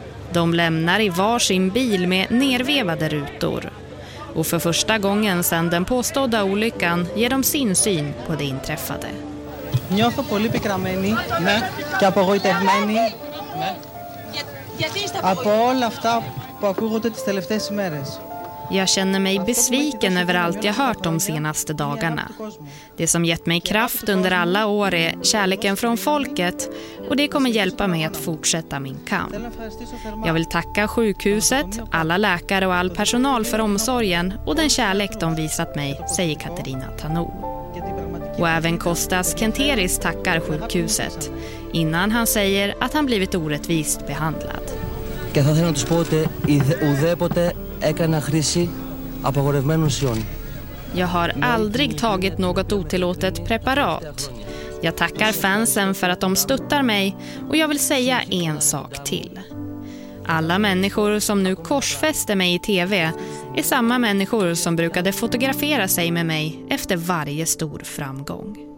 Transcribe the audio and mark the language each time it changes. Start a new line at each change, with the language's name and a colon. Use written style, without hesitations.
Swedish: De lämnar i varsin bil med nervevade rutor. Och för första gången sedan den påstådda olyckan ger de sin syn på det inträffade. Jag är väldigt bekrammande. Nej. Jag är väldigt bekrammande. Nej.
Greek: Από όλα αυτά που ακούγονται τις τελευταίες ημέρες.
Swedish: Jag känner mig besviken över allt jag hört de senaste dagarna. Det som gett mig kraft under alla år är kärleken från folket och det kommer hjälpa mig att fortsätta min kamp. Jag vill tacka sjukhuset, alla läkare och all personal för omsorgen och den kärlek de visat mig, säger Katerina Tanou. Och även Kostas Kenteris tackar sjukhuset innan han säger att han blivit orättvist behandlad.
Greek: Και θα ήθελα να τους πω ότι ουδέποτε έκανα χρήση απαγορευμένων ουσιών.
Swedish: Jag har aldrig tagit något otillåtet preparat. Jag tackar fansen för att de stöttar mig och jag vill säga en sak till. Alla människor som nu korsfäster mig i TV är samma människor som brukade fotografera sig med mig efter varje stor framgång.